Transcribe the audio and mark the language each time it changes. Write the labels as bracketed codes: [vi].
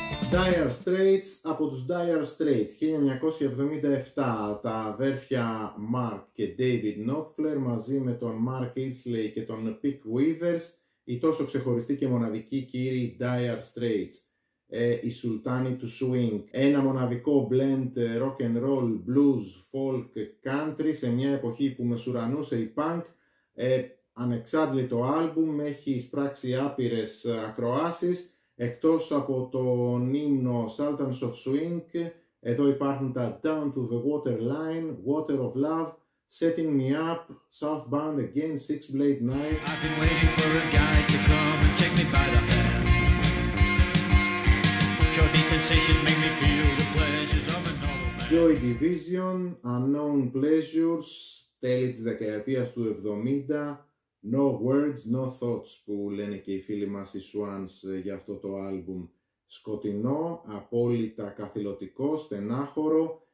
[el] Dire Straits από τους Dire Straits, 1977, τα αδέρφια Mark και David Knopfler μαζί με τον Mark Isley και τον Pick Withers, οι τόσο ξεχωριστοί και μοναδικοί κύριοι Dire Straits, οι Σουλτάνοι του Swing, ένα μοναδικό blend rock and roll, blues, folk, country σε μια εποχή που μεσουρανούσε η punk, ανεξάντλητο άλμπουμ, έχει εισπράξει άπειρες ακροάσεις. Εκτός από τον ύμνο Sultans of Swing, εδώ υπάρχουν τα Down to the Waterline, Water of Love, Setting Me Up, Southbound Again, Six Blade Knife. [en] I've been waiting for a guy to come and take me by the hand. Cause these sensations make me feel the pleasures of a normal man. [el] Joy Division, Unknown Pleasures, τέλη της δεκαετίας του 70. No Words, No Thoughts που λένε και οι φίλοι μας οι Swans για αυτό το άλμπουμ. Σκοτεινό, απόλυτα καθηλωτικό, στενάχωρο.